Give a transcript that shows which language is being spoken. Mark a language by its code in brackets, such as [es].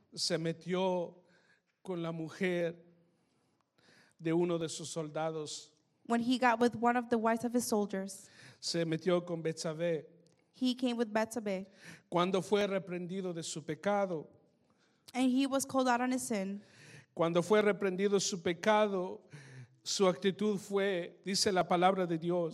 [es] Se metió con la mujer de uno de sus soldados. [en] When he got with one of the wives of his soldiers. [es] Se metió con Betsabé. [en] He came with Betsabé. [es] Cuando fue reprendido de su pecado. [en] And he was called out on his sin. [es] Cuando fue reprendido su pecado, su actitud fue, dice la palabra de Dios.